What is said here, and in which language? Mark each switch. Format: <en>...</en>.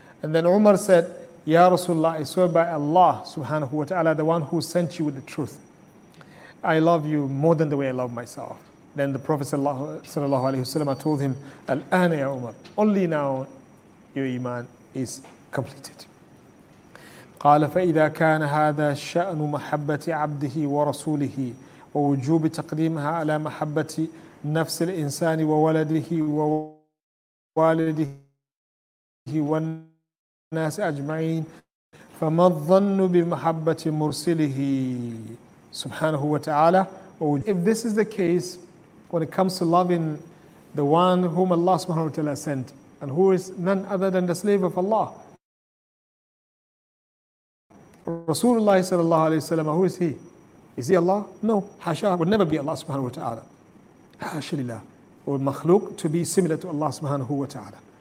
<en>And then Umar said, Ya Rasulullah, I swear by Allah subhanahu wa ta'ala, the one who sent you with the truth, I love you more than the way I love myself. Then the Prophet sallallahu alayhi wa sallam told him,</en> <ar>al-ana ya Umar,</ar> <en>only now your iman is completed.</en> <ar>قال فإذا كان هذا شأن محبة عبده ورسوله ووجوب تقديمها على محبة نفس الإنسان وولده ووالده والناس أجمعين فما الظن بمحبة مرسله سبحانه وتعالى.</ar> <en>If this is the case when it comes to loving the one whom Allah subhanahu wa ta'ala sent, and who is none other than the slave of Allah, Rasulullah sallallahu alayhi wa sallam, who is he? Is he Allah? No, hasha, would never be Allah subhanahu wa ta'ala.</en> <ar>Hasha lillah,</ar> <en>or makhluk to be similar to Allah subhanahu wa ta'ala.</en>